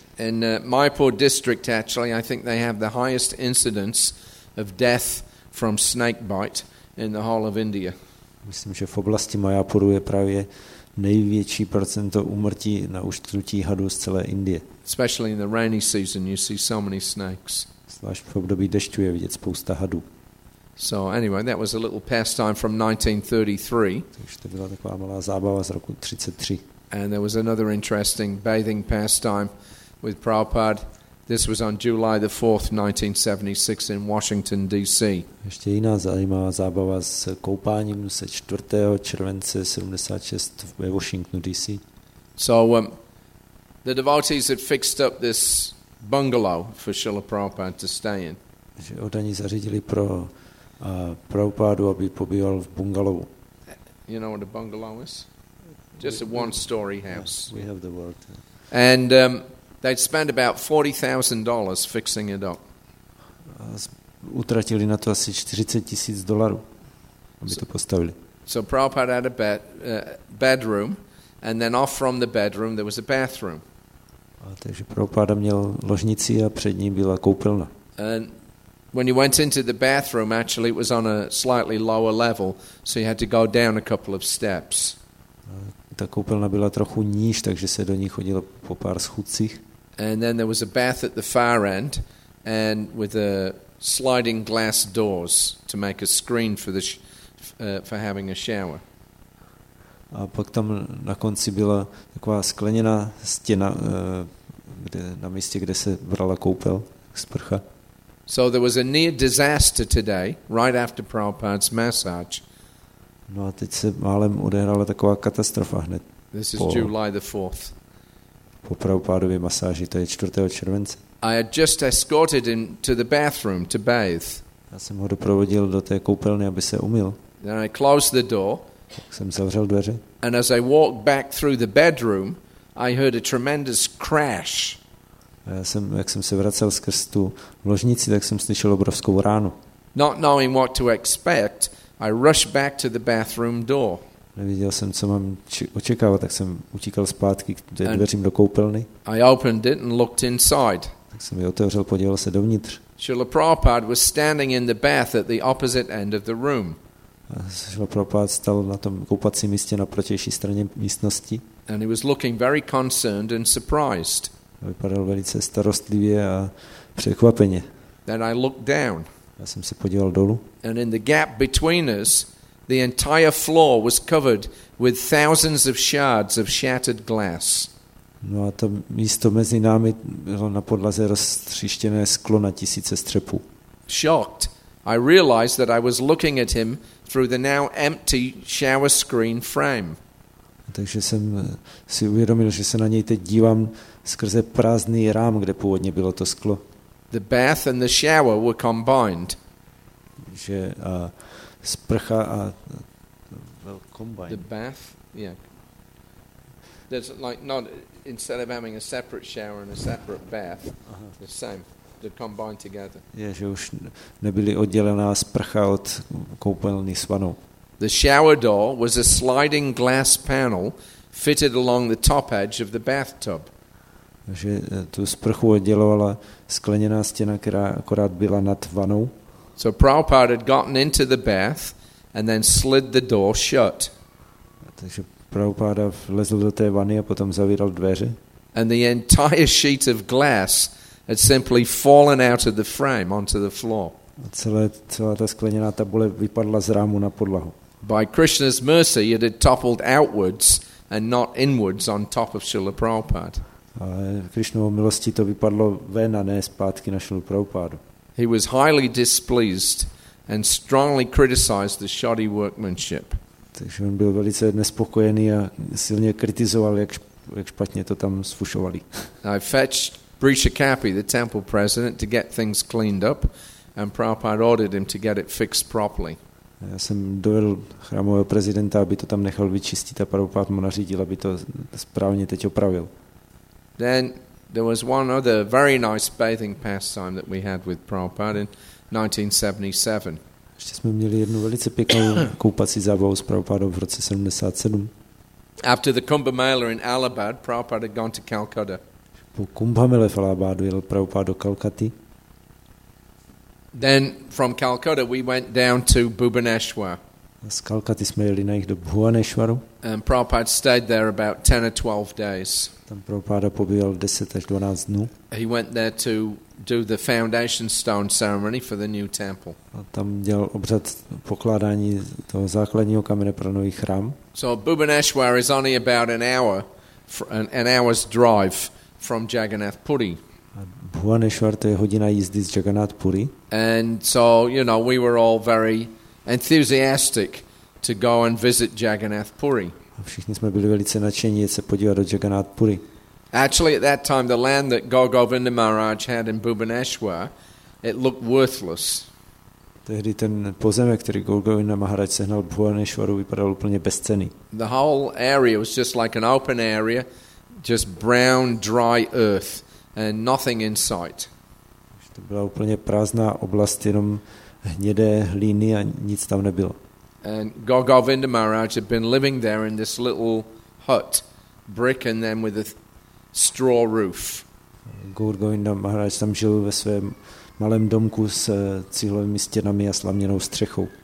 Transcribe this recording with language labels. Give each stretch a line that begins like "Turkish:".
English: In Mayapur district, actually, I think they have the highest incidence of death from snake bite in the whole of India.
Czech: Myslím, že v oblasti Mayapuru je právě největší procento úmrtí na uštrutí hadů z celé Indie.
English: Especially in the rainy season you see so many snakes.
Czech: Zvlášť v období dešťů je vidět spousta hadů.
English: So anyway, that was a little pastime from 1933.
Czech: Takže to byla taková malá zábava z roku 33.
English: And there was another interesting bathing pastime with Prabhupada. This was on July the 4th, 1976 in Washington, D.C.
Czech: Ještě jiná zajímavá zábava s koupáním se 4. července 76 ve Washingtonu, D.C.
English: So the devotees had fixed up this bungalow for Srila Prabhupada to stay in.
Czech: Že oni zařídili pro Prabhupádu, aby pobýval v bungalowu.
English: You know what a bungalow is? Just a one-story house. Yes, we have the word. And they'd spent about $40,000 fixing it up.
Czech: Utratili na to asi 40 tisíc dolarů, aby to postavili.
English: So Prabhupada had a bedroom, and then off from the bedroom there was a bathroom.
Czech: Takže Prabhupada měl ložnici a před ním byla koupelna.
English: And when you went into the bathroom, actually it was on a slightly lower level, so you had to go down a couple of steps.
Czech: Ta koupelna byla trochu níž, takže se do ní chodilo po pár schůdcích.
English: And then there was a bath at the far end and with a sliding glass doors to make a screen for the for having a shower.
Czech: A pak tam na konci byla taková skleněná stěna, kde na místě, kde se brala koupel, sprcha.
English: So there was a near disaster today right after Prabhupada's massage.
Czech: No a teď se málem odehrála taková katastrofa hned.
English: This is July the 4th.
Czech: Po Prabhupádově masáži, to je 4. července.
English: I had just escorted him to the bathroom to bathe.
Czech: Já jsem ho doprovodil do té koupelny, aby se umyl.
English: Then I closed the door.
Czech: Tak jsem zavřel dveře.
English: And as I walked back through the bedroom, I heard a tremendous crash.
Czech: A já jsem, jak jsem se vracel skrz tu ložnici, tak jsem slyšel obrovskou ránu.
English: Not knowing what to expect, I rushed back to the bathroom door.
Czech: Neviděl jsem, co mám očekávat, tak jsem utíkal zpátky k dveřím do koupelny.
English: I opened it and looked inside.
Czech: Tak jsem ji otevřel, podíval se dovnitř.
English: Srila Prabhupada was standing in the bath at the opposite end of the room.
Czech: Srila Prabhupada stál na tom koupacím místě na protější straně místnosti.
English: And he was looking very concerned and surprised.
Czech: Vypadal velice starostlivě a překvapeně.
English: Then I looked down.
Czech: Já jsem se podíval dolů.
English: And in the gap between us, the entire floor was covered with thousands of shards of shattered glass.
Czech: No a to místo mezi námi bylo na podlaze roztříštěné sklo na tisíce střepů.
English: Shocked, I realized that I was looking at him through the now empty shower screen frame.
Czech: Takže jsem si uvědomil, že se na něj teď dívám skrze prázdný rám, kde původně bylo to sklo.
English: The bath and the shower were combined.
Czech: Že sprcha a
English: combined. The bath, yeah. There's like not instead of having a separate shower and a separate bath, the same, they're combined together.
Czech: Yeah, že už nebyly oddělená sprcha od koupelny s vanou.
English: The shower door was a sliding glass panel fitted along the top edge of the bathtub.
Czech: Že tu sprchu oddělovala skleněná stěna, která akorát byla nad vanou.
English: So Prabhupada had gotten into the bath and then slid the door shut.
Czech: Takže Prabhupada vlezl do té vany a potom zavíral dveře.
English: And the entire sheet of glass had simply fallen out of the frame onto the floor.
Czech: A celá ta skleněná tabule vypadla z rámu na podlahu.
English: By Krishna's mercy it had toppled outwards and not inwards on top of Srila Prabhupada.
Czech: Ale Krišnovou milostí to vypadlo ven a ne zpátky na Šrilu Prabhupádu.
English: He was highly displeased and strongly criticized the shoddy workmanship.
Czech: Takže on byl velice nespokojený a silně kritizoval, jak špatně to tam sfušovali.
English: I fetched Brishakapi, the temple president, to get things cleaned up and Prabhupada ordered him to get it fixed properly.
Czech: Já jsem dovedl chrámového prezidenta, aby to tam nechal vyčistit a Prabhupada mu nařídil, aby to správně teď opravil.
English: Then there was one other very nice bathing pastime that we had with Prabhupada in 1977.
Czech: Ještě jsme měli jednu velice pěknou koupací zábavu s Prabhupádou v roce 77.
English: After the Kumbh Mela in Allahabad, Prabhupada had gone to Calcutta.
Czech: Po Kumbh Mele v Allahabadu jel Prabhupáda do Kalkaty.
English: Then from Calcutta we went down to Bhubaneswar.
Czech: Z Kalkaty jsme jeli na jich do Bhubaneswaru.
English: And Prabhupada stayed there about 10 or 12 days.
Czech: Tam Prabhupada pobýval 10 až 12 dnů.
English: He went there to do the foundation stone ceremony for the new temple.
Czech: A tam dělal obřad pokládání toho základního kamene pro nový chrám.
English: So Bhubaneswar is only about an hour an hour's drive from Jagannath Puri.
Czech: Bhuvaneshwar to je hodina jízdy z Jagannath Puri.
English: And so, you know, we were all very enthusiastic to go and visit Jagannath Puri.
Czech: Všichni jsme byli velice nadšení se podívat do Jagannath Puri.
English: Actually, at that time, the land that Gogovinda Maharaj had in Bhubaneswar, it looked worthless.
Czech: Tehdy ten pozemek, který Gogovinda Maharaj sehnal v Bhubaneswaru, vypadal úplně bezcenný.
English: The whole area was just like an open area, just brown, dry earth, and nothing in sight.
Czech: To byla úplně prázdná oblast, jenom hnědé hlíny a nic tam nebylo.
English: And Gogovinda Maharaj had been living there in this little hut, brick, and then with a straw roof.
Czech: Gogovinda Maharaj tam žil ve svém malém domku s cihlovými stěnami a slaměnou střechou.